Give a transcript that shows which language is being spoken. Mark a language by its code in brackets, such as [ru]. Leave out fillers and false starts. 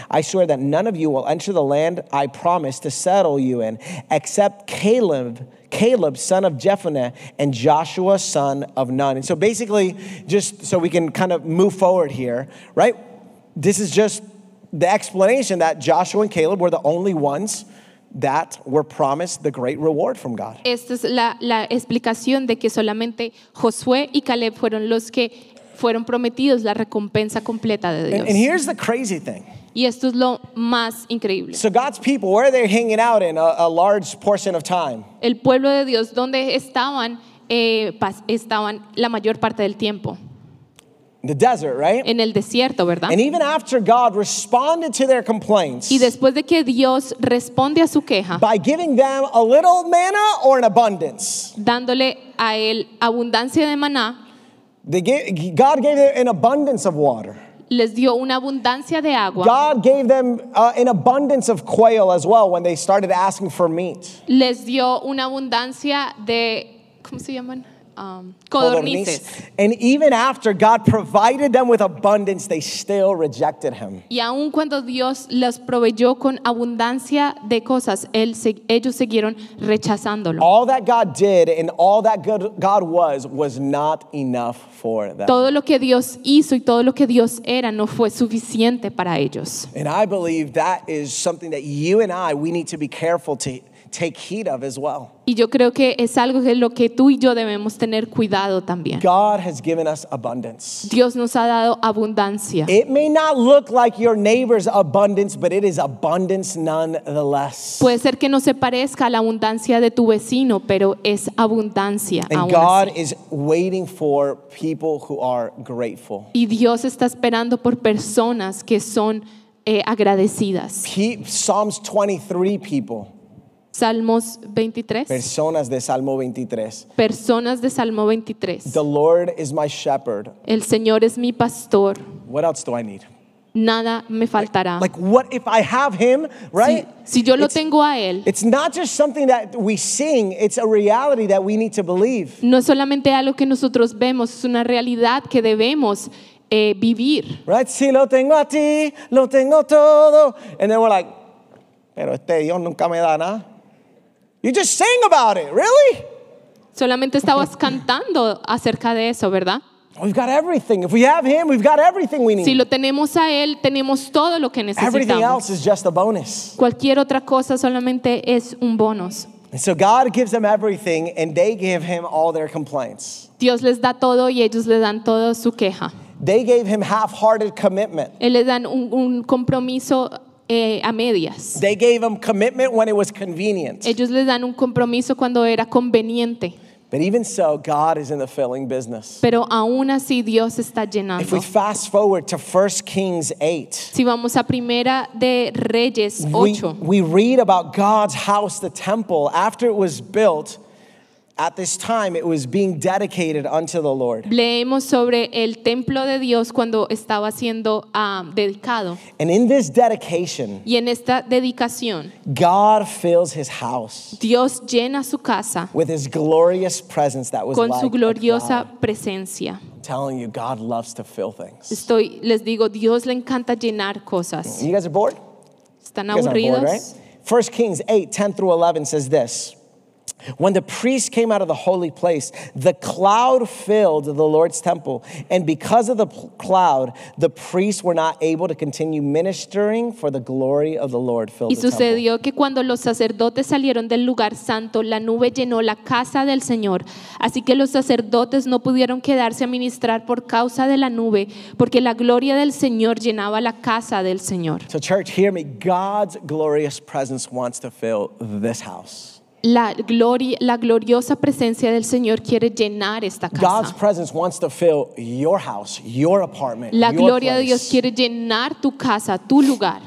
[en] I swear that none of you will enter the land I promised to settle you in, except Caleb, son of Jephunneh, and Joshua, son of Nun." And so basically, just so we can kind of move forward here, right? This is just the explanation that Joshua and Caleb were the only ones that were promised the great reward from God. [es] Esta es la explicación de que solamente Josué y Caleb fueron los que fueron prometidos la recompensa completa de Dios. [en] And here's the crazy thing. [es] Y esto es lo más increíble. [en] So God's people, where are they hanging out in a large portion of time? [es] El pueblo de Dios, ¿dónde estaban? Estaban la mayor parte del tiempo. [en] The desert, right? [es] En el desierto, ¿verdad? [en] And even after God responded to their complaints, [es] y después de que Dios responde a su queja, [en] by giving them a little manna or an abundance, [es] dándole a él abundancia de maná, [en] God gave them an abundance of water. [es] Les dio una abundancia de agua. [en] God gave them an abundance of quail as well when they started asking for meat. [es] Les dio una abundancia de, ¿cómo se llaman? Codornices. [en] And even after God provided them with abundance, they still rejected him. [es] Y aun cuando Dios les proveyó con abundancia de cosas, ellos siguieron rechazándolo. [en] All that God did and all that good God was not enough for them. [es] Todo lo que Dios hizo y todo lo que Dios era no fue suficiente para ellos. [en] And I believe that is something that you and I, we need to be careful to take heed of as well. [es] Y yo creo que es algo de lo que tú y yo debemos tener cuidado también. [en] God has given us abundance. [es] Dios nos ha dado abundancia. [en] It may not look like your neighbor's abundance, but it is abundance nonetheless. [es] Puede ser que no se parezca a la abundancia de tu vecino, pero es abundancia. [en] And [es] aún [en] God [es] así [en] is waiting for people who are grateful. [es] Y Dios está esperando por personas que son agradecidas. [en] Psalms 23 people. [es] Salmos 23. Personas de Salmo 23. Personas de Salmo 23. [en] The Lord is my shepherd. [es] El Señor es mi pastor. [en] What else do I need? [es] Nada me faltará. [en] Like what if I have him, right? [es] Si yo lo tengo a él. [en] It's not just something that we sing, it's a reality that we need to believe. [es] No es solamente algo que nosotros vemos, es una realidad que debemos vivir. [en] Right? [es] Si lo tengo a ti, lo tengo todo. [en] And then we're like, [es] pero Dios nunca me da nada. [en] You just sing about it, really? [es] Solamente estabas cantando acerca de eso, ¿verdad? [en] We've got everything. If we have him, we've got everything we need. [es] Si lo tenemos a él, tenemos todo lo que necesitamos. [en] Everything else is just a bonus. [es] Cualquier otra cosa solamente es un bonus. [en] And so God gives them everything and they give him all their complaints. [es] Dios les da todo y ellos le dan todo su queja. [en] They gave him half-hearted commitment. [es] Les dan un compromiso a medias. [en] They gave him commitment when it was convenient. [es] Ellos les dan un compromiso cuando era conveniente. [en] But even so, God is in the filling business. [es] Pero aún así, Dios está llenando. [en] If we fast forward to 1 Kings 8, [es] si vamos a Primera de Reyes 8, [en] we read about God's house, the temple, after it was built. At this time, it was being dedicated unto the Lord. [es] Leemos sobre el templo de Dios cuando estaba siendo dedicado. [en] And in this dedication, [es] y en esta dedicación, [en] God fills His house. [es] Dios llena su casa [en] with His glorious presence that was like a cloud. [es] Con su gloriosa presencia. [en] Telling you, God loves to fill things. [es] Estoy les digo, Dios le encanta llenar cosas. [en] You guys are bored? [es] Están aburridos. [en] Bored, right? 1 Kings 8, 10 through 11 says this. When the priest came out of the holy place, the cloud filled the Lord's temple. And because of the cloud, the priests were not able to continue ministering for the glory of the Lord filled the temple. [es] Y sucedió que cuando los sacerdotes salieron del lugar santo, la nube llenó la casa del Señor. Así que los sacerdotes no pudieron quedarse a ministrar por causa de la nube, porque la gloria del Señor llenaba la casa del Señor. [en] So church, hear me. God's glorious presence wants to fill this house. [es] La gloriosa presencia del Señor quiere llenar esta casa. [en] God's presence wants to fill your house, your apartment, [es] la gloria [en] your [es] de Dios quiere llenar tu casa, tu lugar.